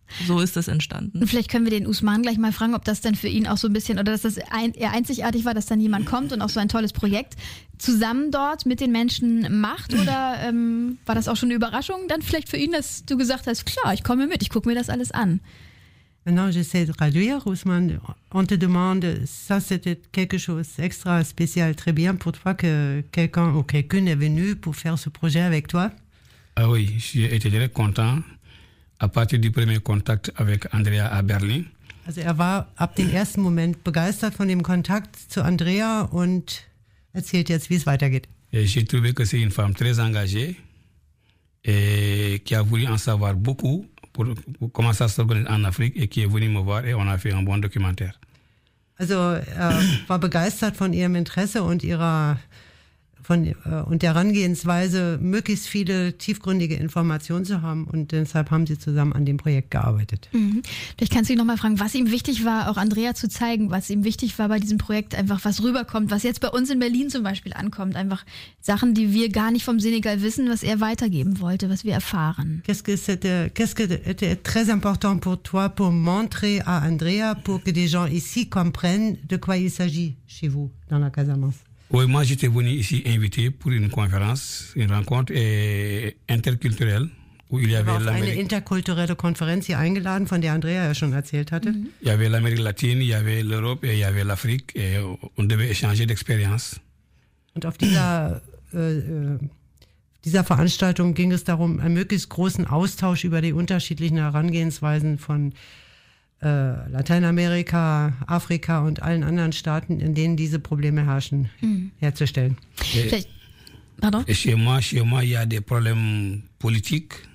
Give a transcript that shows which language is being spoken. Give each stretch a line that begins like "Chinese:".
German: So ist das entstanden. Und vielleicht können wir den Ousmane gleich mal fragen, ob das denn für ihn auch so ein bisschen, oder dass das eher einzigartig war, dass dann jemand kommt und auch so ein tolles Projekt zusammen dort mit den Menschen macht. Oder war das auch schon eine Überraschung dann vielleicht für ihn, dass du gesagt hast, klar, ich komme mit, ich gucke mir das alles an.
French: Maintenant, j'essaie de traduire, Ousmane. On te demande, ça c'était quelque chose extra spécial, très bien pour toi que quelqu'un ou quelqu'une est venu pour faire ce projet avec toi. Ah oui, j'ai été très content. À partir du premier contact avec Andrea à Berlin.
German: Also er war ab dem ersten Moment begeistert von dem Kontakt zu Andrea und erzählt jetzt, wie es weitergeht.
French: Et j'ai trouvé que c'est une femme très engagée et qui a voulu en savoir beaucoup pour comment ça s'organise en Afrique et qui est venue me voir et on a fait un bon documentaire.
German: Also er war begeistert von ihrem Interesse und ihrer und der Herangehensweise, möglichst viele tiefgründige Informationen zu haben. Und deshalb haben sie zusammen an dem Projekt gearbeitet. Vielleicht kannst du dich nochmal fragen, was ihm wichtig war, auch Andrea zu zeigen, was ihm wichtig war bei diesem Projekt, einfach was rüberkommt, was jetzt bei uns in Berlin zum Beispiel ankommt. Einfach Sachen, die wir gar nicht vom Senegal wissen, was er weitergeben wollte, was wir erfahren.
French: Qu'est-ce que c'était très important pour toi, pour montrer à Andrea, pour que des gens ici comprennent, de quoi il s'agit chez vous, dans la Casamance? Oui, moi j'étais venu ici invité pour une conférence, une rencontre interculturelle où il y avait l'Amérique.
German: Eine interkulturelle Konferenz hier eingeladen, von der Andrea ja schon erzählt hatte. Mm-hmm.
French: Il y avait l'Amérique latine, il y avait l'Europe et il y avait l'Afrique et on devait échanger d'expériences.
German: Und auf dieser Veranstaltung ging es darum, einen möglichst großen Austausch über die unterschiedlichen Herangehensweisen von Lateinamerika, Afrika und allen anderen Staaten, in denen diese Probleme herrschen, herzustellen.
French: Et chez moi, il y a des problèmes politiques.